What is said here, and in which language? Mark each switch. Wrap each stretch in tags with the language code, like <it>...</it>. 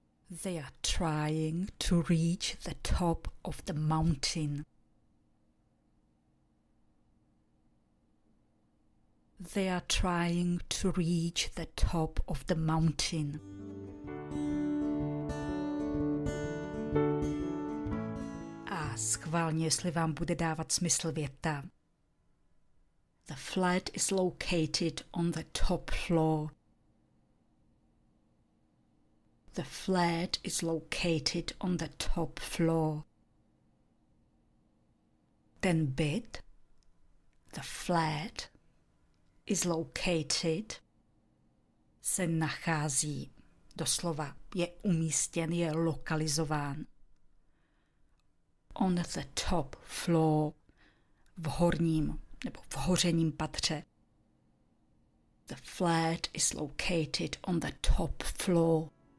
<en>They are trying to reach the top of the mountain. They are trying to reach the top of the mountain.</en> <cs>A schválně, jestli vám bude dávat smysl věta.</cs> <en>The flat is located on the top floor. The flat is located on the top floor.</en> <cs>Ten byt,</cs> <en>the flat, is located,</en> <cs>se nachází, doslova, je umístěn, je lokalizován.</cs> <en>On the top floor,</en> <cs>v horním nebo v hořením patře.</cs> <en>The flat is located on the top floor.</en>